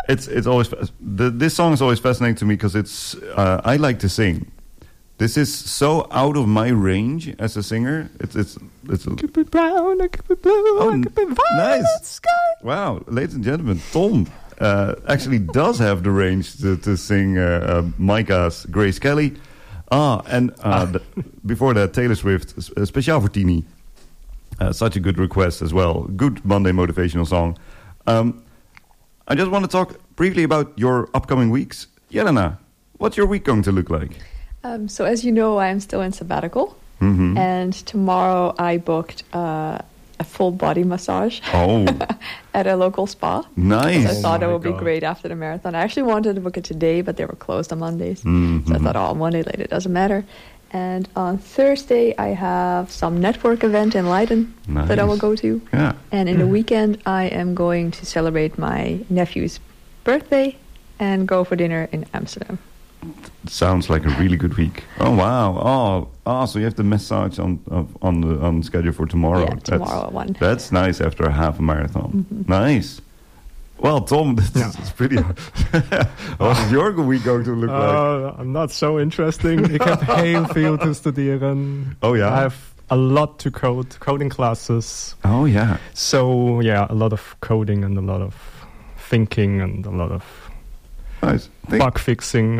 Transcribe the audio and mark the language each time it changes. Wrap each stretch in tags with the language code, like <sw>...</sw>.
<en>It's always, this song is always fascinating to me because it's, I like to sing. This is so out of my range as a singer. It's a, I could be brown, I could be blue, oh, I could be violet nice. Sky. Wow, ladies and gentlemen, Tom actually does have the range to sing Micah's Grace Kelly. Before that, Taylor Swift,</en> <nl>speciaal voor Tini.</nl> <en>Such a good request as well. Good Monday motivational song. I just want to talk briefly about your upcoming weeks. Jelena, what's your week going to look like? So as you know, I'm still in sabbatical. Mm-hmm. And tomorrow I booked a full body massage. Oh. At a local spa. Nice. I thought it would be great after the marathon. I actually wanted to book it today, but they were closed on Mondays. Mm-hmm. So I thought, oh, Monday late, it doesn't matter. And on Thursday, I have some network event in Leiden that I will go to. Yeah. And in the weekend, I am going to celebrate my nephew's birthday and go for dinner in Amsterdam. Sounds like a really good week. Oh, wow. Oh, so you have the massage on the schedule for tomorrow. Yeah, tomorrow one. That's nice after a half a marathon. Mm-hmm. Nice. Well, Tom, this is pretty hard. What is your week going to look like? I'm not so interesting. I have</en> <nl>heel veel te studeren.</nl> <en>Oh, yeah? I have a lot to code, coding classes. Oh, yeah. So, yeah, a lot of coding and a lot of thinking and a lot of bug fixing.</en>